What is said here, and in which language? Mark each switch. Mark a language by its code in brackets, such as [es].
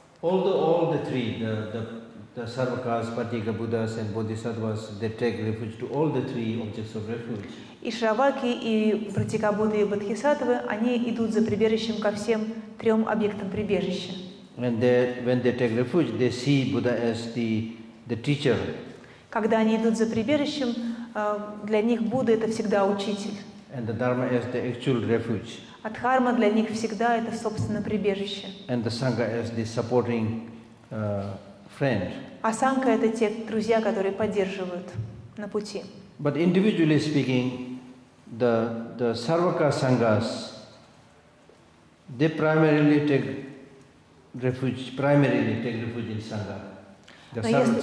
[en] All the three, the Sarvakas, Pratika Buddhas and Bodhisattvas, they take refuge to all the three objects of refuge. [ru] И Шабаки, и Пратика Будды, и Бодхисаттвы, они идут за прибежищем ко всем трем объектам прибежища. [en] When they take refuge, they see Buddha as the teacher. [ru] Когда они идут за прибежищем, для них Будда — это всегда учитель. [en] And the Dharma is the actual refuge. [ru] А Дхарма для них всегда — это, собственно, прибежище. [en] And the Sangha is the supporting friend. [ru] А Сангха — это те друзья, которые поддерживают на пути. [en] But individually speaking, the Sarvaka Sanghas, they primarily take refuge in Sangha.